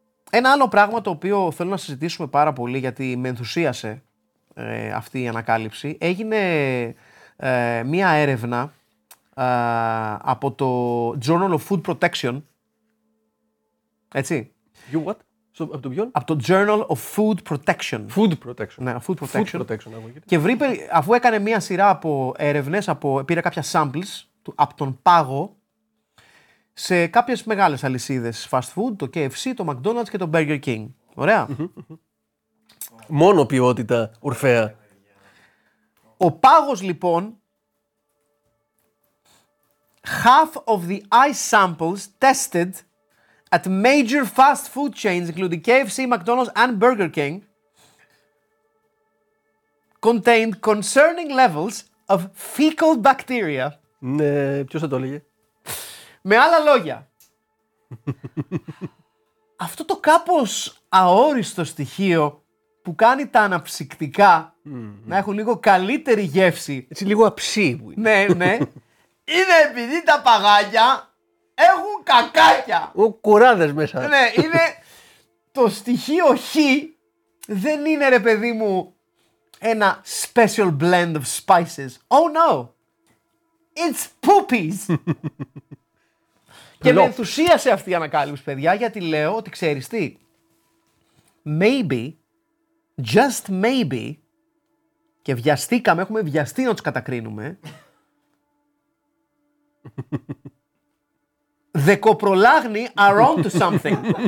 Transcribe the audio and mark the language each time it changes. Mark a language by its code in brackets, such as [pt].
[el] Ένα άλλο πράγμα το οποίο θέλω να συζητήσουμε πάρα πολύ, γιατί με ενθουσίασε αυτή η ανακάλυψη, έγινε μία έρευνα από το Journal of Food Protection. Έτσι. [en] You what? [el] So, από το ποιον? Από το Journal of Food Protection. Food Protection. Ναι, Food Protection. Food Protection. Και βρήκε, αφού έκανε μία σειρά από έρευνες, πήρε κάποια samples από τον πάγο σε κάποιες μεγάλες αλυσίδες fast food, το KFC, το McDonald's και το Burger King. Ωραία. Μόνο ποιότητα, ορφαία. Ο πάγος, λοιπόν, [en] half of the ice samples tested at major fast food chains, including KFC, McDonald's and Burger King, contained concerning levels of fecal bacteria. [el] Ναι, ποιος θα το έλεγε? Με άλλα λόγια, αυτό το κάπως αόριστο στοιχείο που κάνει τα αναψυκτικά να έχουν λίγο καλύτερη γεύση. Έτσι λίγο αψί. Ναι, ναι. Είναι επειδή τα παγάκια έχουν κακάκια. Ο κουράδες μέσα. Ναι, είναι το στοιχείο χ, δεν είναι, ρε παιδί μου, ένα [en] special blend of spices. Oh no, it's poopies. [el] Και με ενθουσίασε αυτή η ανακάλυψη, παιδιά, γιατί λέω ότι ξέρεις τι. [en] Maybe, just maybe, [el] και βιαστήκαμε, έχουμε βιαστεί να τους κατακρίνουμε. [en] The coprolagni are on to something.